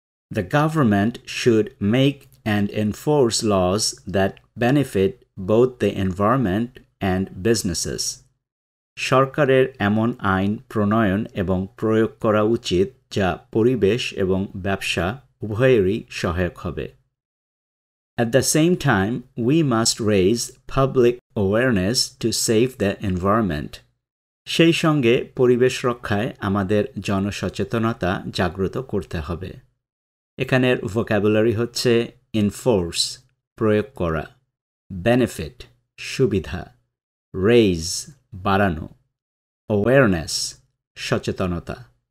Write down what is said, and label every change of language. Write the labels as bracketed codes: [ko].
[en] The government should make and enforce laws that benefit both the environment and businesses. [bn] সরকারের এমন আইন প্রণয়ন এবং প্রয়োগ করা উচিত যা পরিবেশ এবং ব্যবসা উভয়েরই সহায়ক হবে. [en] At the same time, we must raise public awareness to save the environment. [bn] সেই সঙ্গে পরিবেশ রক্ষায় আমাদের জনসচেতনতা জাগ্রত করতে হবে. এখানের ভোক্যাবুলারি হচ্ছে ইনফোর্স, প্রয়োগ করা, বেনিফিট, সুবিধা, রেইজ, বাড়ানো, অ্যাওয়ারনেস, সচেতনতা.